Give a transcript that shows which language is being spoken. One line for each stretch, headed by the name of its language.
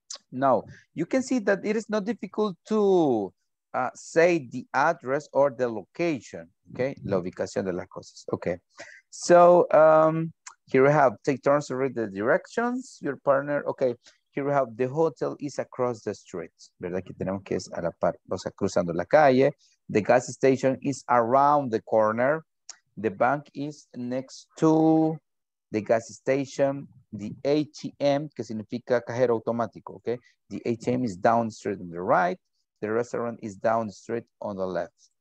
English: Now, you can see that it is not difficult to say the address or the location. Okay,
Spanish: la ubicación de las cosas.
English: Okay, so here we have, take turns to read the directions, your partner. Okay, here we have, the hotel is across the street.
Spanish: ¿Verdad? Aquí tenemos que es a la par, o sea, cruzando la calle.
English: The gas station is around the corner. The bank is next to the gas station. The ATM,
Spanish: que significa cajero automático,
English: okay? The ATM is down the street on the right. The restaurant is down the street on the left.